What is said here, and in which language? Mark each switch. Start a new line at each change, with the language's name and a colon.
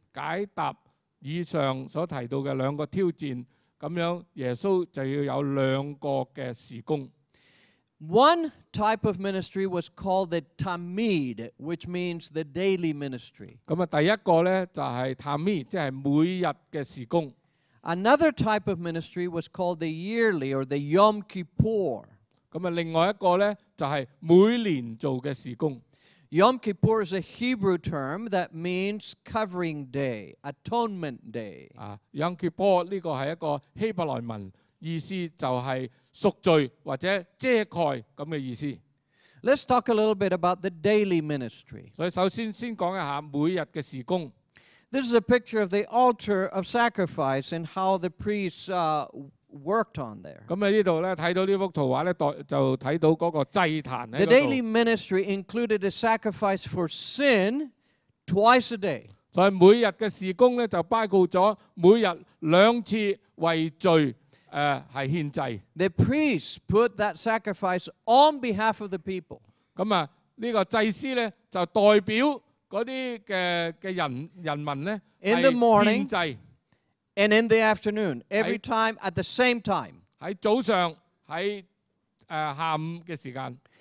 Cantonese: 解答以上所提到嘅兩個挑戰，咁樣耶穌就要有兩個嘅事工。
English: One type of ministry was called the tamid, which means the daily ministry.
Cantonese: 咁啊，第一個咧就係tamid，即係每日嘅事工。
English: Another type of ministry was called the yearly or the Yom Kippur.
Cantonese: 咁啊，另外一個咧就係每年做嘅事工。
English: Yom Kippur is a Hebrew term that means covering day, atonement day.
Cantonese: Yom Kippur 呢個係一個希伯來文，意思就係贖罪或者遮蓋咁嘅意思。
English: Let's talk a little bit about the daily ministry.
Cantonese: 所以首先先講一下每日嘅事工。
English: This is a picture of the altar of sacrifice and how the priests worked on there.
Cantonese: 咁啊，呢度咧睇到呢幅图画咧，就睇到嗰个祭坛喺度。
English: The daily ministry included a sacrifice for sin twice a day.
Cantonese: 所以每日嘅事工咧，就包括咗每日两次为罪系献祭。
English: The priests put that sacrifice on behalf of the people.
Cantonese: 咁啊，呢个祭司咧就代表嗰啲嘅人民咧系献祭。
English: And in the afternoon, every time at the same time.
Cantonese: 喺早上，喺下午嘅時間。